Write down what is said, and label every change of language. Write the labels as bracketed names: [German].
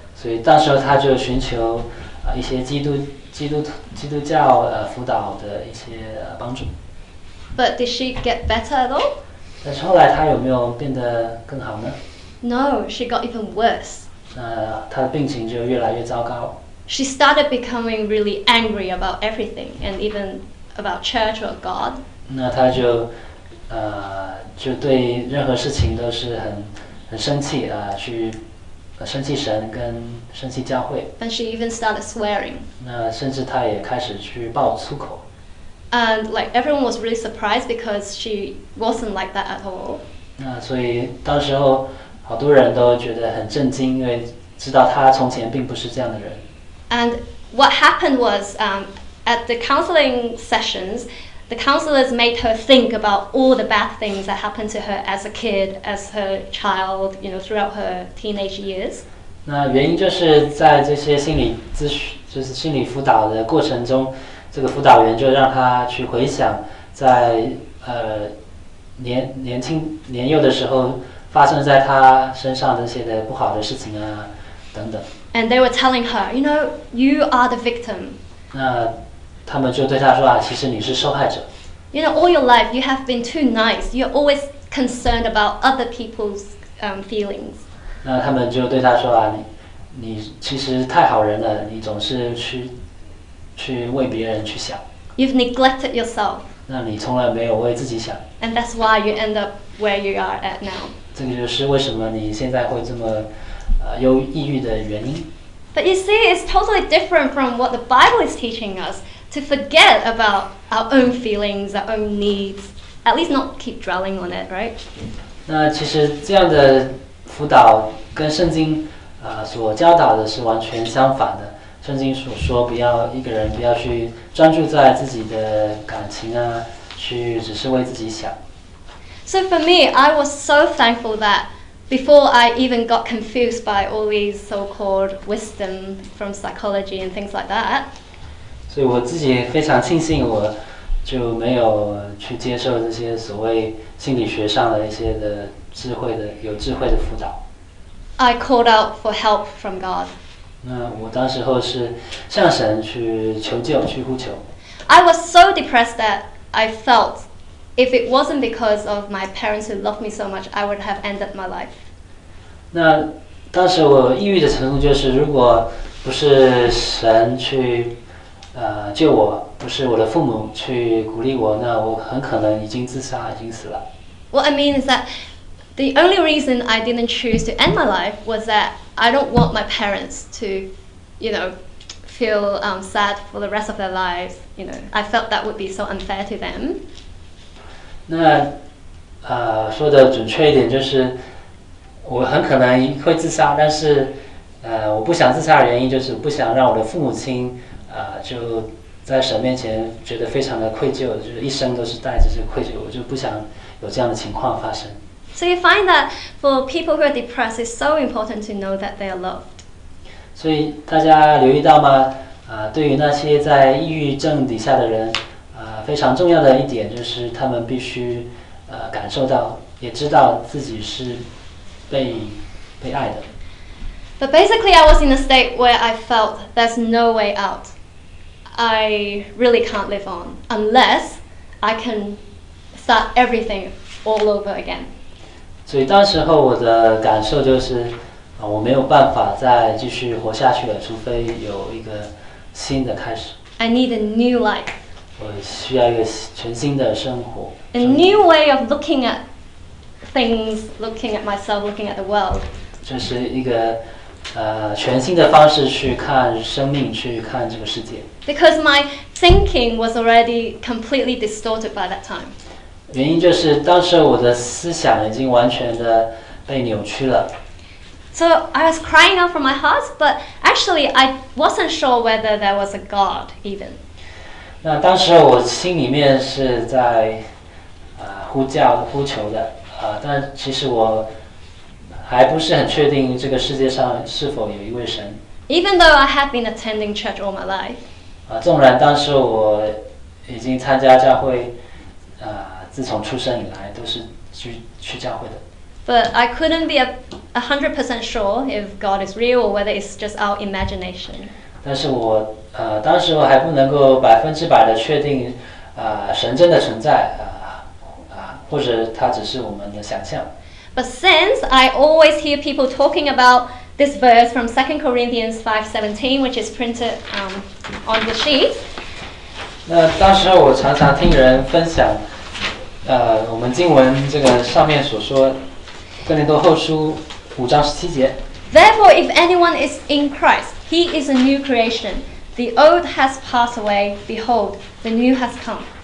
[Chinese] 所以到时候她就寻求一些基督教辅导的一些帮助。 [English] But did she get better at all? [Chinese] 但是后来她有没有变得更好呢 [English] ？No, she got even worse. [Chinese] 她的病情就越来越糟糕。 [English] She started becoming really angry about everything, and even about church or God. [Chinese] 那她就对任何事情都是很生气啊，去生气神跟生气教会。 [English] And she even started swearing. [Chinese] 那甚至她也开始去爆粗口。 [English] And like everyone was really surprised because she wasn't like that at all. [Chinese] 那所以当时候好多人都觉得很震惊，因为知道她从前并不是这样的人。 [English] And what happened was, at the counseling sessions, the counselors made her think about all the bad things that happened to her as a kid, as her child, you know, throughout her teenage years. [Chinese] 那原因就是在这些心理咨询，就是心理辅导的过程中，这个辅导员就让她去回想在年幼的时候发生在她身上这些的不好的事情啊，等等。 [English] And they were telling her, you know, you are the victim. [Chinese] 那他们就对她说啊，其实你是受害者。 [English] You know, all your life you have been too nice. You're always concerned about other people's feelings. [Chinese] 那他们就对她说啊，你其实太好人了，你总是去为别人去想。 [English] You've neglected yourself. [Chinese] 那你从来没有为自己想。 [English] And that's why you end up where you are at now. [Chinese] 这个就是为什么你现在会这么。有抑郁的原因。 [English] But you see, it's totally different from what the Bible is teaching us to forget about our own feelings, our own needs, at least not keep dwelling on it, right? [Chinese] 那其实这样的辅导跟圣经所教导的是完全相反的。圣经所说，不要一个人不要去专注在自己的感情啊，去只是为自己想。 [English] So for me, I was so thankful that. Before I even got confused by all these so-called wisdom from psychology and things like that. [Chinese] 所以我自己非常庆幸，我就没有去接受这些所谓心理学上的一些的智慧的有智慧的辅导。 [English] I called out for help from God. [Chinese] 那我当时候是向神去求救，去呼求。 [English] I was so depressed that I felt. If it wasn't because of my parents who loved me so much, I would have ended my life. [Chinese] 那当时我抑郁的程度就是，如果不是神去救我，不是我的父母去鼓励我，那我很可能已经自杀，已经死了。 [English] What I mean is that the only reason I didn't choose to end my life was that I don't want my parents to, you know, feel sad for the rest of their lives. You know, I felt that would be so unfair to them. [Chinese] 那，说的准确一点就是，我很可能会自杀，但是，我不想自杀的原因就是不想让我的父母亲，就在神面前觉得非常的愧疚，就是一生都是带着这个愧疚，我就不想有这样的情况发生。 [English] So you find that for people who are depressed, it's so important to know that they are loved. [Chinese] 所以大家留意到吗？对于那些在抑郁症底下的人。非常重要的一点就是他们必须感受到也知道自己是被爱的。 [English] But basically I was in a state where I felt there's no way out. I really can't live on unless I can start everything all over again. [Chinese] 所以当时候我的感受就是，我没有办法再继续活下去了，除非有一个新的开始。 [English] I need a new life. [Chinese] 我需要一个全新的生活。 [English] A new way of looking at things, looking at myself, looking at the world. [Chinese] 这是一个全新的方式去看生命，去看这个世界。 [English] Because my thinking was already completely distorted by that time. [Chinese] 原因就是当时我的思想已经完全的被扭曲了。 [English] So I was crying out from my heart, but actually I wasn't sure whether there was a God even. [Chinese] 那当时我心里面是在呼叫呼求的，但其实我还不是很确定这个世界上是否有一位神。 [English] Even though I have been attending church all my life. [Chinese] 纵然当时我已经参加教会，自从出生以来都是去教会的。 [English] But I couldn't be 100% sure if God is real or whether it's just our imagination. [Chinese] 但是我当时我还不能够100%的确定，神真的存在，或者它只是我们的想象。 [English] But since I always hear people talking about this verse from 2 Corinthians 5:17, which is printed on the sheet. [Chinese] 那当时我常常听人分享，我们经文这个上面所说，哥林多后书5:17. [English] Therefore, if anyone is in Christ, he is a new creation. The old has passed away. Behold, the new has come.